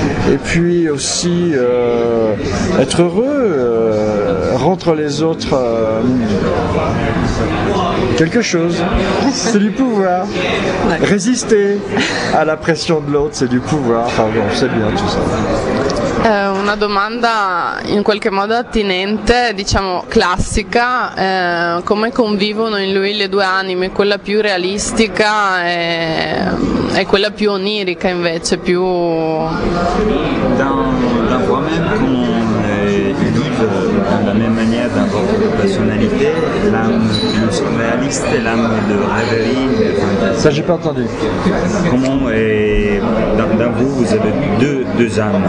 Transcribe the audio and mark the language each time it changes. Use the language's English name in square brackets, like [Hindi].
[French] Et puis aussi être heureux, rendre les autres quelque chose, c'est du pouvoir. Ouais. Résister à la pression de l'autre, c'est du pouvoir. Enfin bon, c'est bien tout ça. [Italian] Una domanda in qualche modo attinente, diciamo classica, come convivono in lui le due anime, quella più realistica e quella più onirica invece, più... [French] Dans moi-même, comment ils vivent, la même manière d'avoir une personnalité, l'âme du surréaliste et l'âme de rêverie, de fantasie. Ça, j'ai pas entendu. Comment dans vous avez deux âmes.